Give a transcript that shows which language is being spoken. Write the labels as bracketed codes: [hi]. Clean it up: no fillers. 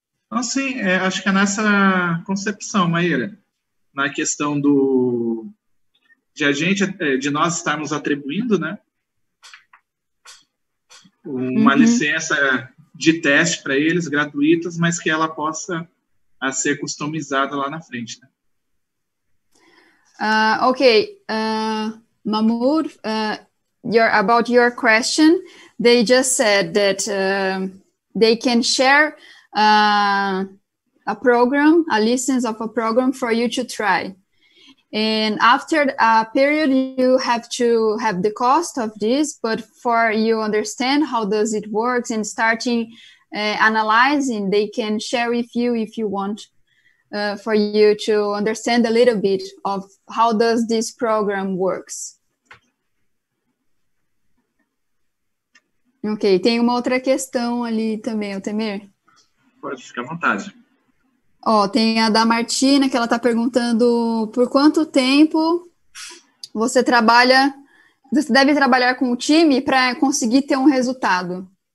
[pt] Ah, sim, acho que é nessa concepção, Maíra. Na questão do de nós estarmos atribuindo, né, uma licença de teste para eles, gratuitas, mas que ela possa... a ser customizada lá na frente. Né? [en] Okay, Mahmoud, about your question, they just said that they can share a program, a license of a program for you to try. And after a period, you have to have the cost of this, but for you understand how does it works and starting analyzing, they can share with you if you want for you to understand a little bit of how does this program works. [pt] Ok, tem uma outra questão ali também, Altemir. Pode ficar à vontade. Ó, tem a da Martina, que ela está perguntando por quanto tempo você trabalha, você deve trabalhar com o time para conseguir ter um resultado?